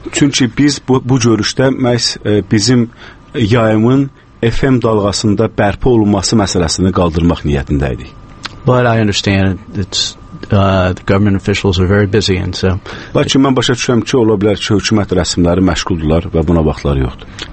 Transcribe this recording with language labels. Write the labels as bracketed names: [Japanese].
[Azerbaijani] Çünki biz bu görüşdə məhz bizim yayımın FM dalğasında bərpa olunması məsələsini qaldırmaq niyyətində idik. [English] But I understand it's the government officials are very busy and so. [Azerbaijani] Lakin mən başa düşürəm ki, ola bilər ki, hökumət rəsmiləri məşğuldular və buna vaxtları yoxdur.